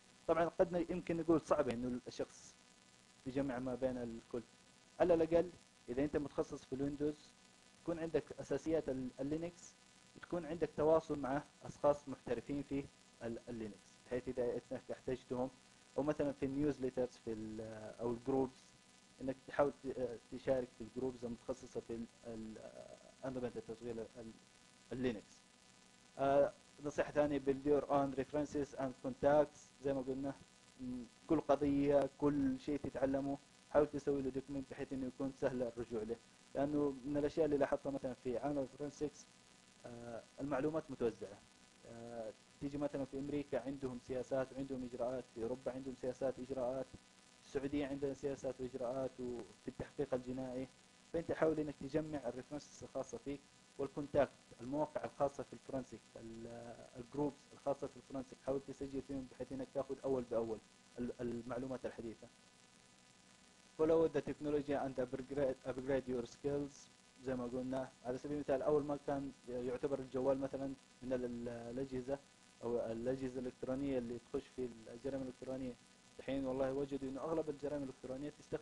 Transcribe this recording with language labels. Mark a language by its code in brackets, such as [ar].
[ar] طبعا قد يمكن نقول صعب إنه الشخص يجمع ما بين الكل، على الأقل إذا أنت متخصص في الويندوز تكون عندك أساسيات اللينكس، تكون عندك تواصل مع أشخاص محترفين في اللينكس، بحيث إذا احتجتهم أو مثلا في النيوزليترز في الـ أو الجروبز، إنك تحاول تشارك في الجروبز المتخصصة في أنظمة تشغيل اللينكس. نصيحة ثانية، [en] build your own references and contacts. [ar] زي ما قلنا كل قضية، كل شيء تتعلمه حاول تسوي له دوكمنت بحيث إنه يكون سهل الرجوع له، لأنه من الأشياء اللي لاحظتها مثلا في عالم الفورنسكس المعلومات متوزعة. تيجي مثلا في أمريكا عندهم سياسات وعندهم إجراءات، في أوروبا عندهم سياسات وإجراءات، السعودية عندها سياسات وإجراءات وفي التحقيق الجنائي. فأنت حاول إنك تجمع الريفرنسز الخاصة فيك والكونتاكت، المواقع الخاصة في الفرنسيك، الجروبس الخاصة في الفرنسيك، حاول تسجل فيهم بحيث إنك تاخذ أول بأول المعلومات الحديثة. [en] follow the technology and upgrade your skills. [ar] زي ما قلنا على سبيل المثال، أول ما كان يعتبر الجوال مثلا من الأجهزة أو الأجهزة الإلكترونية اللي تخش في الجرائم الإلكترونية، الحين والله وجدوا إنه أغلب الجرائم الإلكترونية